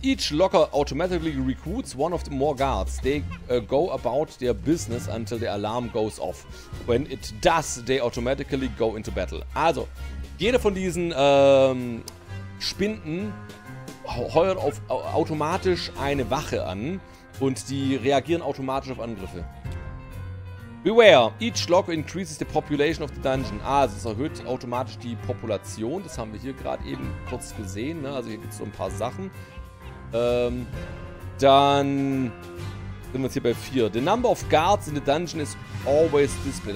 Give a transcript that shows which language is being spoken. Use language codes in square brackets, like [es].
[en] Each locker automatically recruits one of the more guards. They go about their business until the alarm goes off. When it does, they automatically go into battle. [de] Also, jeder von diesen Spinden heuert automatisch eine Wache an und die reagieren automatisch auf Angriffe. [en] Beware, each lock increases the population of the dungeon. [de] Also es erhöht automatisch die Population. Das haben wir hier gerade eben kurz gesehen. Ne? Also hier gibt es so ein paar Sachen. Dann sind wir jetzt hier bei 4. [en] The number of guards in the dungeon is always displayed.